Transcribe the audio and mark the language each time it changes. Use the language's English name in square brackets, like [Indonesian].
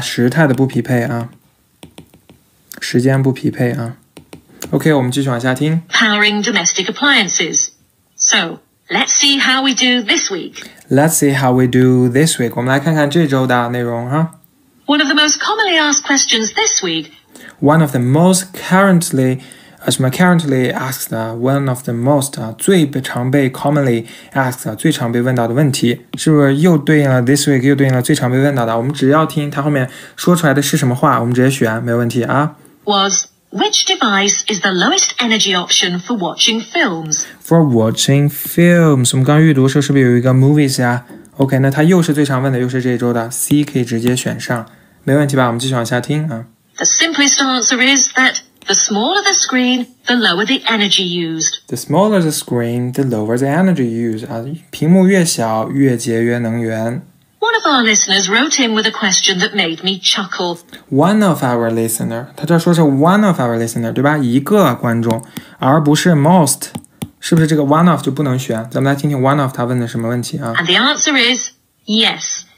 [Chinese] 时态的不匹配啊，时间不匹配啊。 OK， 我们继续往下听。 [English] Powering domestic appliances. So, let's see how we do this week. Let's see how we do this week. [Chinese] 我们来看看这周的内容哈。 [English] One of the most commonly asked questions this week. One of the most currently, [Chinese] 什么 [English] currently asked, one of the most, [Chinese] 最常被 [English] commonly asked, [Chinese] 最常被问到的问题，是不是又对应了 this week, 又对应了最常被问到的？我们只要听它后面说出来的是什么话，我们直接选，没问题啊。 [English] Was. Which device is the lowest energy option for watching films? For watching films, [Chinese] 我们刚预读的时候是不是有一个 movies 呀 ？OK， 那它又是最常问的，又是这一周的 C 可以直接选上，没问题吧？我们继续往下听啊。 [English] The simplest answer is that the smaller the screen, the lower the energy used. The smaller the screen, the lower the energy used. [Chinese] 啊，屏幕越小越节约能源。 [English] One of our listeners wrote in with a question that made me chuckle. One of our listener, [Chinese] 他这说是 [English] one of our listener, [Chinese] 对吧？一个观众，而不是 most, 是不是这个 one of 就不能选？咱们来听听 one of 他问的什么问题啊 [English] ？And the answer is yes.